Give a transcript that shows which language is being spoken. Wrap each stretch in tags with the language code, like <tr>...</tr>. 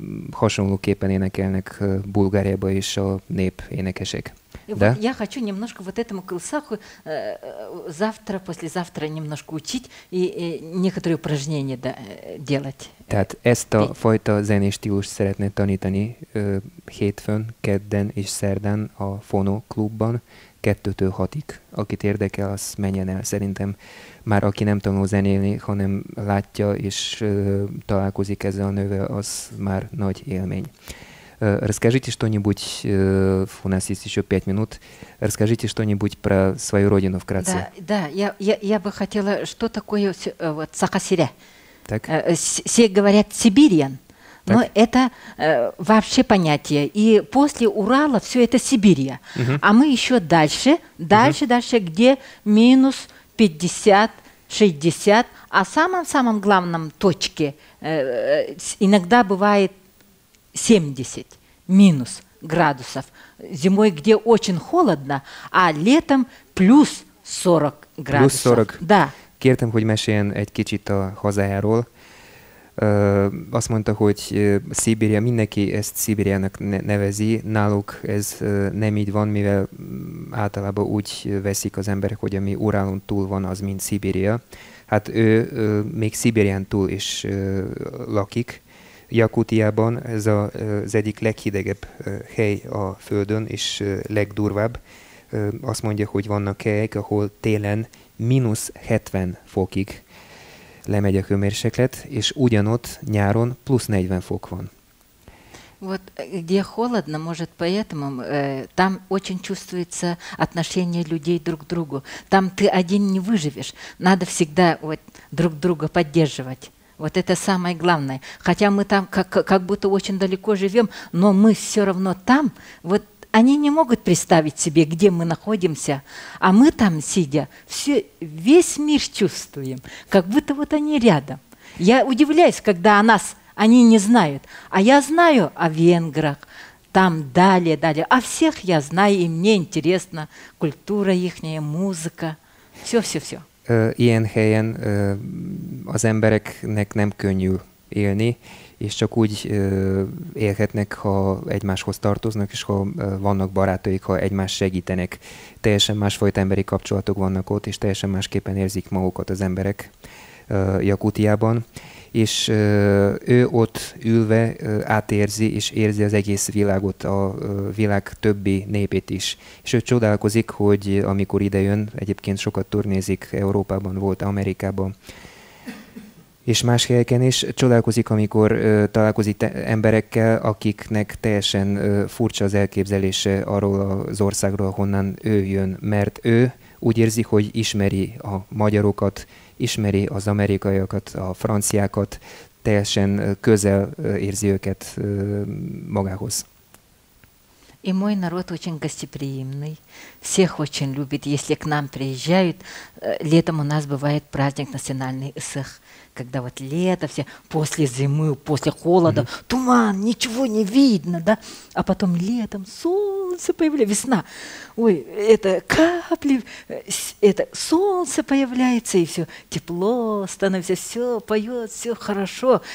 <hu>Hasonlóképpen énekelnek Bulgáriában is a nép énekesek.</hu> <ru>Да. Я хочу немножко вот этому колсаху завтра, послезавтра немножко учить и некоторые упражнения да, делать.</ru> <hu>Tehát ezt a fajta zenés stílust szeretné tanítani hétfőn, kedden és szerdán a Fono klubban 2-től 6-ig. Akit érdekel, az menjen el szerintem. Már aki nem tanul zenélni, hanem látja és találkozik ezzel a nővel, az már nagy élmény.</hu> <ru>Расскажите что-нибудь, у нас есть еще 5 минут, расскажите что-нибудь про свою родину вкратце. Да, да, я бы хотела, что такое вот Сахасиря? Так. Все говорят сибириан, но это вообще понятие, и после Урала все это Сибирия, а мы еще дальше, дальше, дальше, где минус 50, 60, а самом-самом главном точке иногда бывает 70 минус градусов зимой, где очень холодно, а летом плюс 40 градусов. Плюс 40. Да.</ru> <hu>Kértem, hogy meséljen egy kicsit a hazájáról. Azt mondta, hogy Szibéria, mindenki ezt Szibériának nevezi, náluk ez nem így van, mivel általában úgy veszik az emberek, hogy ami Urálon túl van, az mind Szibéria. Hát ő még Szibérián túl is lakik. Jakutiában ez az egyik leghidegebb hely a Földön, és legdurvább. Azt mondja, hogy vannak helyek, ahol télen mínusz 70 fokig lemegy a hőmérséklet, és ugyanott nyáron plusz 40 fok van.</hu> <ru>Вот где холодно, может поэтому там очень чувствуется отношение людей друг к другу. Там ты один не выживешь. Надо всегда вот друг друга поддерживать. Вот это самое главное. Хотя мы там как будто очень далеко живем, но мы все равно там. Вот они не могут представить себе, где мы находимся, а мы там, сидя, все, весь мир чувствуем, как будто вот они рядом. Я удивляюсь, когда о нас они не знают. А я знаю о венграх, там далее, далее. О всех я знаю, и мне интересна культура ихняя, музыка, все, все, все.</ru> <hu>Ilyen helyen az embereknek nem könnyű élni, és csak úgy élhetnek, ha egymáshoz tartoznak, és ha vannak barátaik, ha egymás segítenek. Teljesen másfajta emberi kapcsolatok vannak ott, és teljesen másképpen érzik magukat az emberek Jakutiában. És ő ott ülve átérzi, és érzi az egész világot, a világ többi népét is. És ő csodálkozik, hogy amikor ide jön, egyébként sokat turnézik, Európában volt, Amerikában, és más helyeken is, csodálkozik, amikor találkozik emberekkel, akiknek teljesen furcsa az elképzelése arról az országról, honnan ő jön, mert ő úgy érzi, hogy ismeri a magyarokat, ismeri az amerikaiakat, a franciákat, teljesen közel érzi őket magához.</hu> <ru>И мой народ очень гостеприимный, всех очень любит. Если к нам приезжают, летом у нас бывает праздник национальный Исых, когда вот лето все, после зимы, после холода, туман, ничего не видно, да? А потом летом солнце появляется, весна, ой, это капли, это солнце появляется, и все, тепло становится, все поет, все хорошо.</ru>